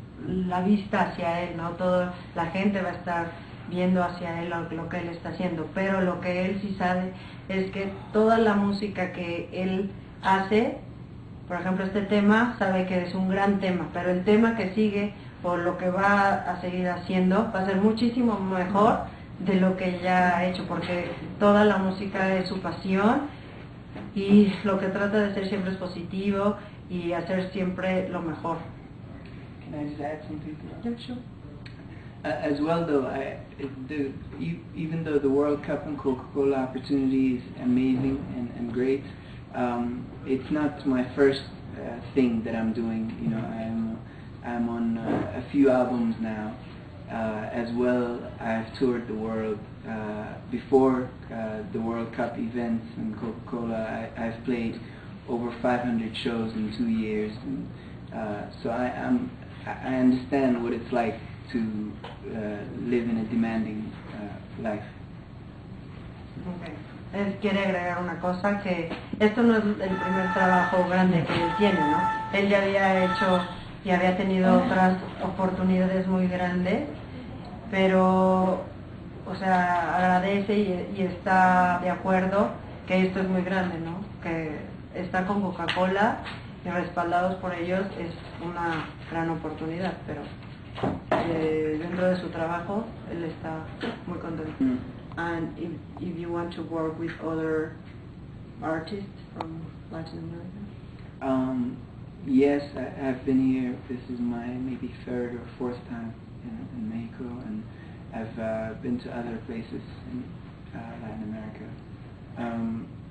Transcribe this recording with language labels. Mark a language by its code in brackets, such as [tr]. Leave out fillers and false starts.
[es] la vista hacia él, ¿no? Toda la gente va a estar viendo hacia él lo que él está haciendo, pero lo que él sí sabe es que toda la música que él hace, por ejemplo este tema, sabe que es un gran tema, pero el tema que sigue o lo que va a seguir haciendo va a ser muchísimo mejor de lo que ya ha hecho, porque toda la música es su pasión y lo que trata de ser siempre es positivo y hacer siempre lo mejor. [en] Can I just add something to that? Yeah, sure. As well, though, even though the World Cup and Coca-Cola opportunity is amazing and great, it's not my first thing that I'm doing. You know, I'm on a few albums now. As well, I've toured the world before the World Cup events and Coca-Cola. I've played over 500 shows in 2 years, and so I understand what it's like to live in a demanding life. Okay. [es] Él quiere agregar una cosa, que esto no es el primer trabajo grande que él tiene, ¿no? Él ya había hecho y había tenido otras oportunidades muy grandes, pero, o sea, agradece y está de acuerdo que esto es muy grande, ¿no? Que está con Coca-Cola y respaldados por ellos es una gran oportunidad, pero dentro de su trabajo él está muy contento. Mm. [en] And if you want to work with other artists from Latin America? Yes, I've been here. This is my maybe third or fourth time in Mexico, and I've been to other places in Latin America.